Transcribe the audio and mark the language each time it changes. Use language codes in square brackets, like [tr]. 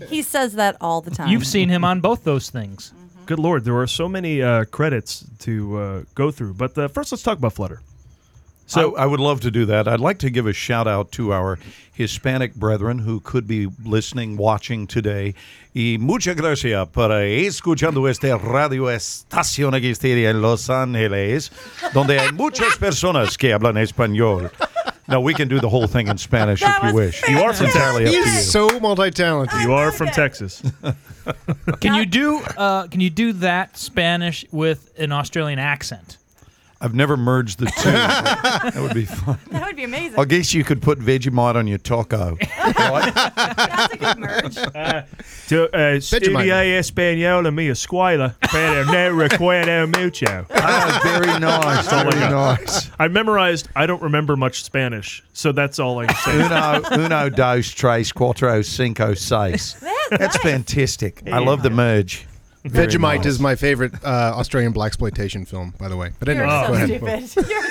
[en] He says that all the time. You've seen him on both those things. Mm-hmm. Good Lord, there are so many credits to go through. But first, let's talk about Flutter. So I would love to do that. I'd like to give a shout out to our Hispanic brethren who could be listening, watching today. [es] Y muchas gracias por escuchando esta radio estación aquí en Los Ángeles, donde hay muchas personas que hablan español. [en] Now we can do the whole thing in Spanish that if you wish. Fantastic. You are from Texas. He's so multi-talented. You are from Texas. Can you do that Spanish with an Australian accent? I've never merged the two. That would be fun. That would be amazing. I guess you could put Vegemite on your taco. That's a good merge. [es] Estudia español a mi escuela, pero no recuerdo mucho. [en] Very nice. Very nice. I don't remember much Spanish, so that's all I can say. [es] Uno, dos, tres, cuatro, cinco, seis. [en] That's nice. Fantastic. Yeah. I love the merge. Very Vegemite nice. Is my favorite Australian blaxploitation film, by the way. But anyway, you're so go ahead. Stupid.